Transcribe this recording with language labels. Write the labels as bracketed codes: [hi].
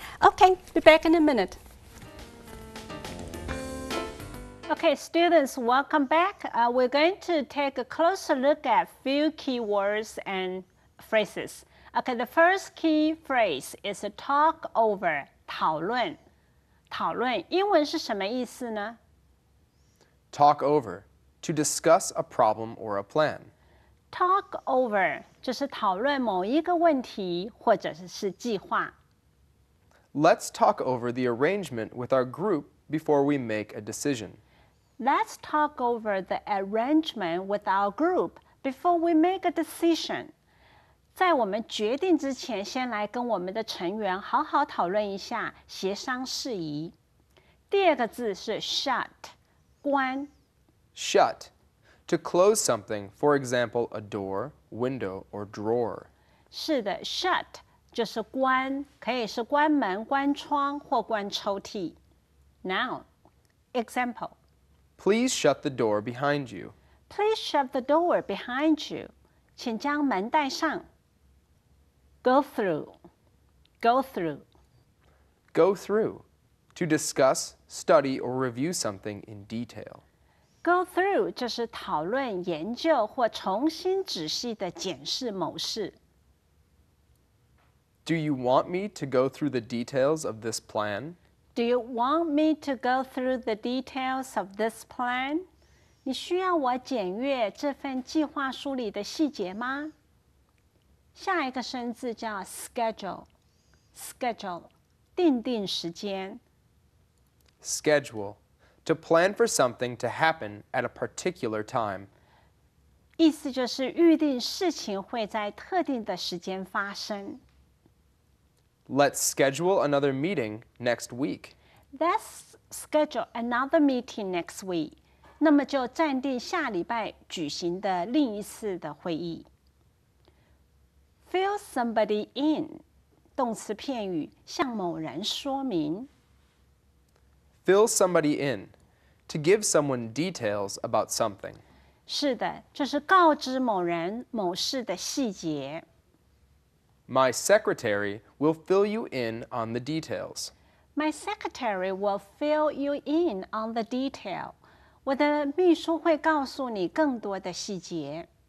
[en] Okay, be back in a minute. Okay, students, welcome back. We're going to take a closer look at a few key words and phrases. Okay, the first key phrase is a talk over, 讨论。 [zh] 讨论英文是什么意思呢？ [en] Talk over. To discuss a problem or a plan. [zh] Talk over 就是讨论某一个问题或者是计划。 [en] Let's talk over the arrangement with our group before we make a decision. Let's talk over the arrangement with our group before we make a decision. [zh] 在我们决定之前，先来跟我们的成员好好讨论一下，协商事宜。第二个字是 shut, 关。 [en] shut. To close something, for example, a door, window, or drawer. [zh] 是的 shut 就是关，可以是关门、关窗或关抽屉。 [en] Noun, example. Please shut the door behind you. Please shut the door behind you. [zh] 请将门带上。 [en] Go through. Go through. Go through. To discuss, study, or review something in detail. [zh] Go through 就是讨论、研究或重新仔细地检视某事。 [en] Do you want me to go through the details of this plan? Do you want me to go through the details of this plan? [zh] 你需要我检阅这份计划书里的细节吗？下一个生字叫 schedule, schedule, 定定时间。 [en] Schedule, to plan for something to happen at a particular time. [zh] 意思就是预定事情会在特定的时间发生。 [en] Let's schedule another meeting next week. Let's schedule another meeting next week. [zh] 那么就暂定下礼拜举行的另一次的会议。 [en] Fill somebody in, [zh] 动词片语，向某人说明。 [en] Fill somebody in, to give someone details about something. [zh] 是的，就是告知某人某事的细节。 [en] My secretary will fill you in on the details. My secretary will fill you in on the detail. [zh] 我的秘书会告诉你更多的细节。